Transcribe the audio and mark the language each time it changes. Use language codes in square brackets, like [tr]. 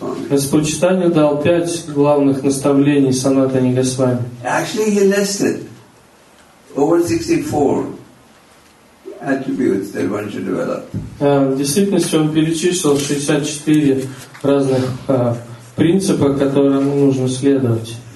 [ru] Господь Чайтанья дал пять главных наставлений Санатане Госвами. [en] Actually, he listed over 64 attributes that one should develop. [ru] В действительности он перечислил 64 разных принципа, которым нужно следовать.